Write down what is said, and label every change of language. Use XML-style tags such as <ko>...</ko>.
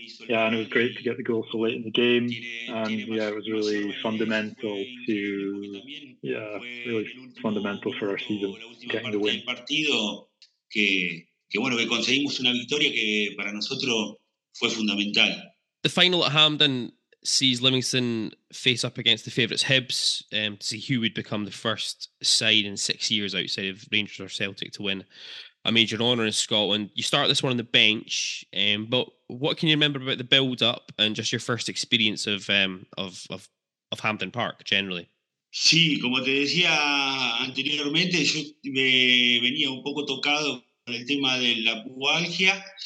<en>And it was great to get the goal so late in the game. And yeah, it was really fundamental for our season, getting the win.</en> <es>Partido que bueno que conseguimos una victoria que para nosotros fue fundamental.</es> <en>The final at Hampden sees Livingston face up against the favourites Hibs to see who would become the first side in 6 years outside of Rangers or Celtic to win a major honour in Scotland. You start this one on the bench, but what can you remember about the build-up and just your first experience of Hampden Park generally?</en> <es>Sí, como te decía anteriormente, yo venía un poco tocado con el tema de la pubalgia.</es>